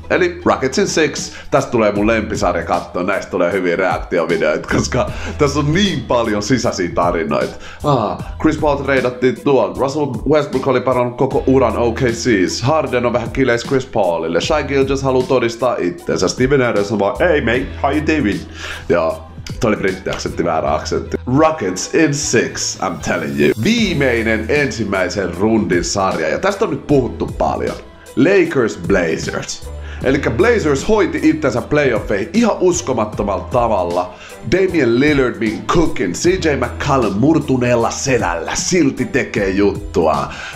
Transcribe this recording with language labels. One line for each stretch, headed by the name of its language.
Finnish: Eli Rockets in 6, tästä tulee mun lempisarja kattoo, näistä tulee hyviä reaktiovideoita, koska tässä on niin paljon sisäisiä tarinoita. Chris Paul treidattiin tuon, Russell Westbrook oli parannut koko uran OKC's, Harden on vähän kileis Chris Paulille, Shai Gilgeous haluu todistaa itteensä, Steven Adams on vaan,
English: hey mate, how you doing?
Finnish: Joo. Toi oli britti-aksentti, väärä aksentti.
English: Rockets in six, I'm telling you.
Finnish: Viimeinen ensimmäisen rundin sarja, ja tästä on nyt puhuttu paljon. Lakers Blazers. Elikkä Blazers hoiti itsensä playoffeihin ihan uskomattomalla tavalla. Damian Lillard
English: been cooking,
Finnish: CJ McCollum murtuneella selällä, silti tekee juttua.